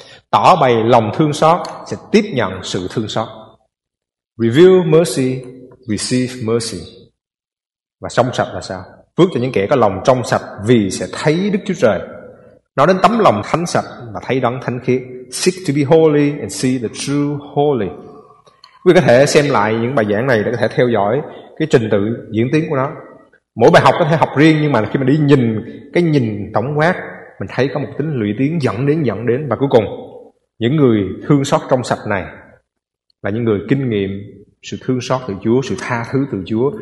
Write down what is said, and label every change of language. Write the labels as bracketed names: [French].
[Vietnamese] Tỏ bày lòng thương xót sẽ tiếp nhận sự thương xót. [English] Reveal mercy, receive mercy. [Vietnamese] Và trong sạch là sao? Phước cho những kẻ có lòng trong sạch vì sẽ thấy Đức Chúa Trời. Nói đến tấm lòng thánh sạch và thấy đấng thánh khiết. [English] Seek to be holy and see the true holy. [Vietnamese] Quý vị có thể xem lại những bài giảng này để có thể theo dõi cái trình tự diễn tiến của nó. Mỗi bài học có thể học riêng, nhưng mà khi mà đi nhìn cái nhìn tổng quát, mình thấy có một tính lũy tiến dẫn đến. Và cuối cùng, những người thương xót trong sạch này là những người kinh nghiệm sự thương xót từ Chúa, sự tha thứ từ Chúa.